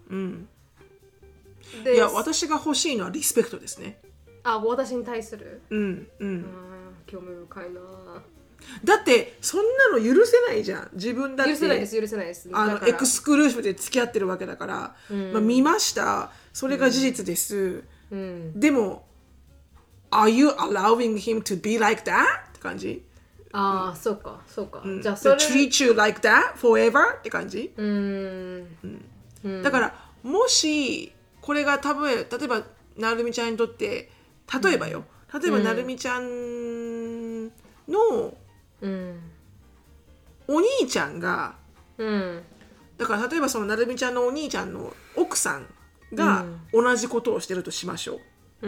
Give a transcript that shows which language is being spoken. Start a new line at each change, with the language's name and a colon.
Japanese: うん、でいや、私が欲しいのはリスペクトですね。あ、私に対する。うん、うん。興味深いな。だってそんなの許せないじゃん、自分だって。許せないです、許せないです。あのエクスクルーシブで付き合ってるわけだから、うん、まあ、見ました、それが事実です、うん、でも、うん、
English: Are you allowing him to be like that?
Japanese: って感じ。ああ、うん、そうかそうか、うん、じゃあそれ
English: treat you like that forever?
Japanese: って感じ、うんうん、だからもしこれが多分例えばなるみちゃんにとって例えばよ、うん、例えばなるみちゃんの、うんうん、お兄ちゃんが、うん、だから例えばそのなるみちゃんのお兄ちゃんの奥さんが同じことをしてるとしましょう、